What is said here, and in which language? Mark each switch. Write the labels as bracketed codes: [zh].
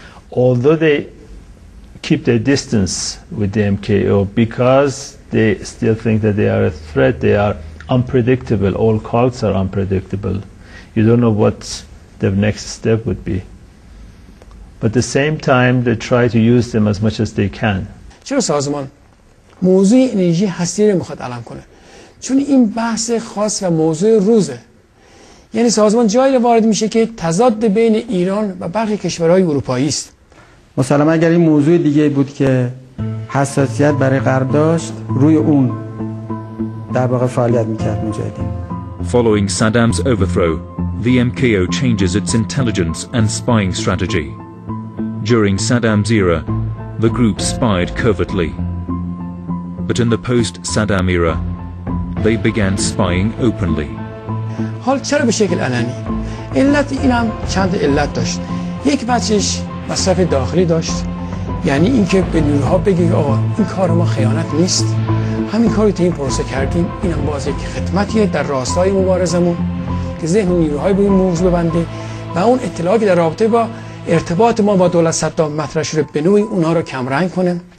[en] Although they keep their distance with the MKO because they still think that they are a threat, they are unpredictable. All cults are unpredictable. You don't know what the next step would be. But at the same time, they try to use them as much as they can. [fa] چرا سازمان موضوع انرژی هستی رو میخواد علم کنه؟ چون این بحث خاص و موضوع روزه. یعنی سازمان جایی رو وارد میشه که تضاد بین ایران و برخی کشورهای اروپایی است. مسلما اگر این موضوع دیگه بود که حساسیت برای غرب داشت، روی اون در واقع فعالیت میکرد مجاهدین. [en] Following Saddam's overthrow, the MKO changes its intelligence and spying strategy. During Saddam's era, the group spied covertly. But in the post-Saddam era, they began spying openly. [fa] حال چرا به شکل علنی؟ علت اینم چند علت داشت. یک بچش مصرف داخلی داشت. یعنی اینکه به نیروها بگی آقا این کار ما خیانت نیست. همین کاری تو این پروسه کردیم، اینم باز یک خدمتیه در راستای مبارزمون که ذهن نیروهای به این موضوع ببنده و اون اطلاعاتی در رابطه با ارتباط ما با دولت صدام مطرح شده به نوعی اونا رو کمرنگ کنه.